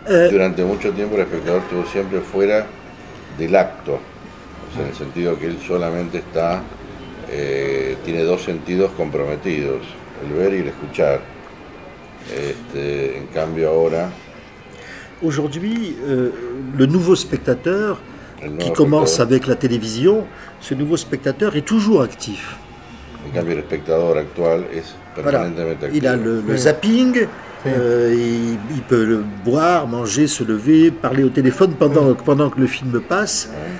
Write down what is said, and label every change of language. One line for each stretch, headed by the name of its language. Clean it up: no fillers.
Spanish: Durante mucho tiempo, el espectador estuvo siempre fuera del acto, o sea, en el sentido que él solamente está, tiene dos sentidos comprometidos, el ver y el escuchar. En cambio ahora,
French: aujourd'hui, le nouveau spectateur qui commence avec la télévision, ce nouveau spectateur est toujours actif.
Spanish: En cambio, el espectador actual es permanentemente activo.
French: Il a le zapping, il peut le boire, manger, se lever, parler au téléphone pendant que le film passe.